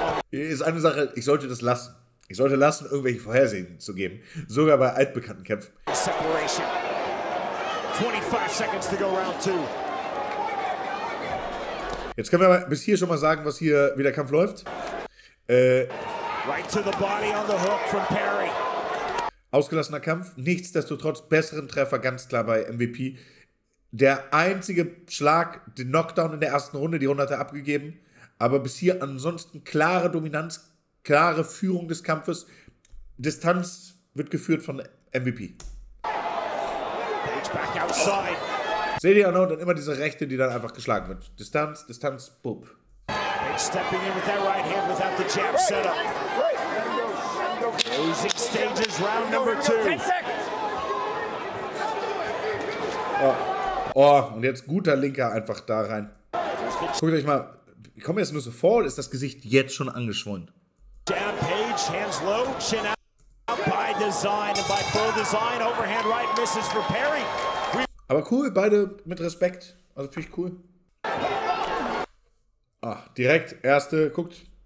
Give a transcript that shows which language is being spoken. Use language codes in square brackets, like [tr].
[de] Hier ist eine Sache, ich sollte das lassen. Ich sollte lassen, irgendwelche Vorhersehen zu geben. Sogar bei altbekannten Kämpfen. [en] 25 seconds to go round two. [de] Jetzt können wir bis hier schon mal sagen, was hier, wie der Kampf läuft. [en] Right to the body on the hook from Perry. [de] Ausgelassener Kampf, nichtsdestotrotz besseren Treffer, ganz klar bei MVP. Der einzige Schlag, den Knockdown in der ersten Runde, die Runde hat er abgegeben. Aber bis hier ansonsten klare Dominanz, klare Führung des Kampfes. Distanz wird geführt von MVP. [en] Page back outside. [de] Seht ihr, und immer diese Rechte, die dann einfach geschlagen wird. Distanz, Distanz, boop. [en] Page stepping in with that right hand without the jab set up. Losing stages, round number two. Oh. [de] Oh, und jetzt guter Linker einfach da rein. Guckt euch mal, ich komme jetzt nur so vor, ist das Gesicht jetzt schon angeschwollen? [en] Jab, Page, hands low, chin out. By design, and by full design, overhand right misses for Perry. [de] Aber cool, beide mit Respekt. Also finde ich cool. Ah, direkt, erste, guckt.